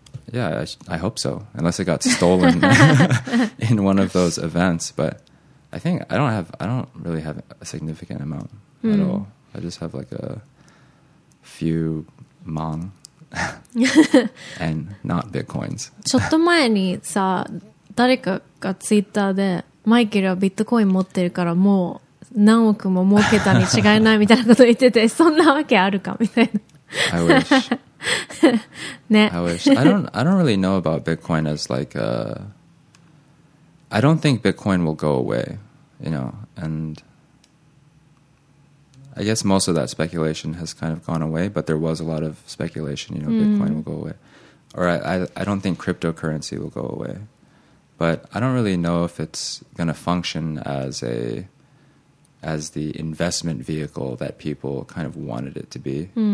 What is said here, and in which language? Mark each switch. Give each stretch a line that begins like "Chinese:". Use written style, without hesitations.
English: Yeah, I hope so. Unless it got stolen in one of those events. But I think I don't really have a significant amount at all. I just have like a few mon and not bitcoins.
Japanese: ちょっと前にさ、誰かがツイッターでマイケルはビットコイン持ってるからもう何億も儲けたに違いないみたいなこと言っててそんなわけあるかみたいな
English: I wish 、
Japanese: ね、
English: I wish I don't really know about Bitcoin as like I don't think Bitcoin will go away you know and I guess most of that speculation has kind of gone away but there was a lot of speculation you know Bitcoin will go away or I don't think cryptocurrency will go awayBut I don't really know if it's going to function as the investment vehicle that people kind of wanted it to be.